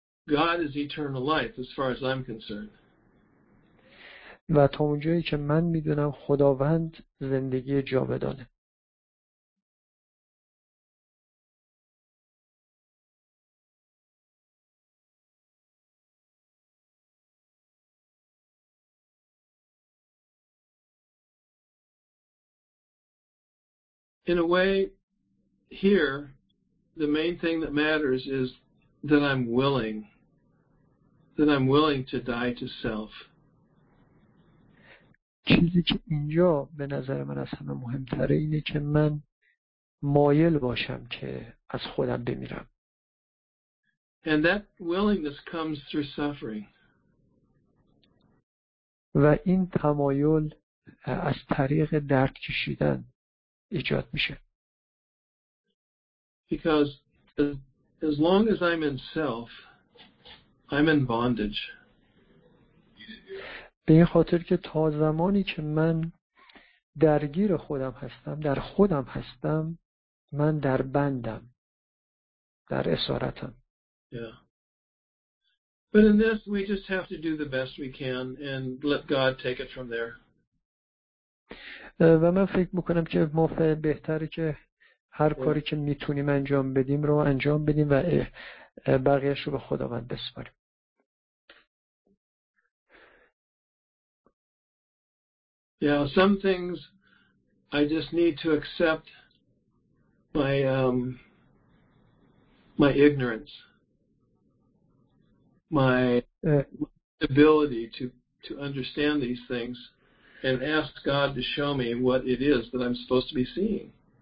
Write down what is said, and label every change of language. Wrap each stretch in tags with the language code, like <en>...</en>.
<en>God is eternal life as far as I'm concerned.</en> <fa>و تا اونجایی که من میدونم خداوند زندگی جاودانه.</fa> <en>In a way, here, the main thing that matters is that I'm willing to die to self.</en> <fa>چیزی که اینجا به نظر من از همه مهمتره اینه که من مایل باشم که از خودم بمیرم.</fa> <en>And that willingness comes through suffering.</en> <fa>و این تمایل از طریق درد کشیدن ایجاد میشه.</fa> <en>Because as long as I'm in self, I'm in bondage.</en> <fa>به این خاطر که تا زمانی که من درگیر خودم هستم، در خودم هستم، من در بندم، در اسارتم.</fa> <en>Yeah. But in this, we just have to do the best we can and let God take it from there.</en> <fa>و من فکر میکنم که ما بهتره که هر کاری که میتونیم انجام بدیم رو انجام بدیم و بقیهش رو به خداوند بسپاریم.</fa> <en>Yeah, some things I just need to accept my ignorance, my ability to understand these things and ask God to show me what it is that I'm supposed to be seeing.</en>